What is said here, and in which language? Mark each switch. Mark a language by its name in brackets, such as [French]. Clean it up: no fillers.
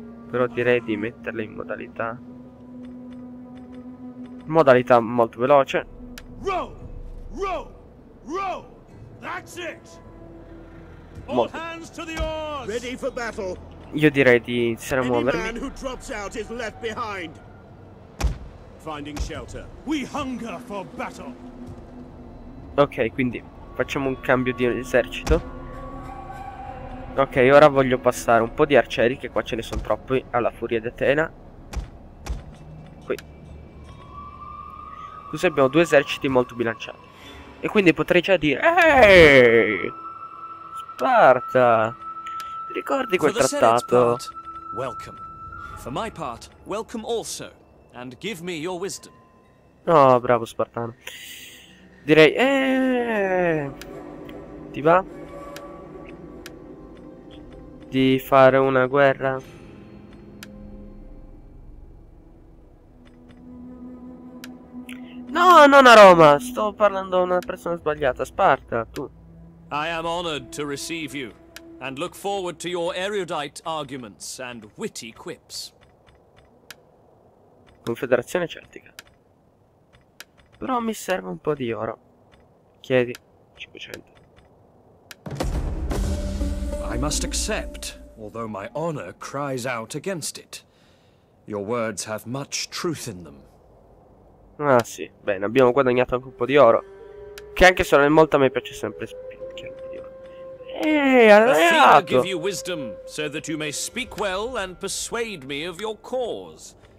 [Italian] Però direi di metterle in modalità. Modalità molto veloce. [English] Row! Row! Row! That's it! All hands to the oars! Ready for battle! [Italian] Io direi di iniziare a muovermi. [English] Any man who drops out is left behind. Finding shelter. We hunger for battle. [Italian] Ok, quindi facciamo un cambio di esercito. Ok, ora voglio passare un po' di arcieri, che qua ce ne sono troppi, alla furia di Atena. Qui. Così abbiamo due eserciti molto bilanciati. E quindi potrei già dire: ehi, Sparta, ricordi quel trattato? [English] Welcome. For my part, welcome also. And give me your wisdom. [Italian] No, bravo Spartano. Direi, ti va di fare una guerra? No, non a Roma, sto parlando a una persona sbagliata, Sparta, tu. [English] I am honored to receive you and look forward to your erudite arguments and witty quips. [Italian] Confederazione Celtica. Però mi serve un po' di oro. Chiedi 500. [English] I must accept, although my honor cries out against it. Your words have much truth in them. [Italian] Ah sì, bene, abbiamo guadagnato anche un po' di oro. Che anche se non è molta, mi piace sempre spicchiare di oro. Alleato. [English] I give you wisdom so that you may speak well and persuade me of your cause.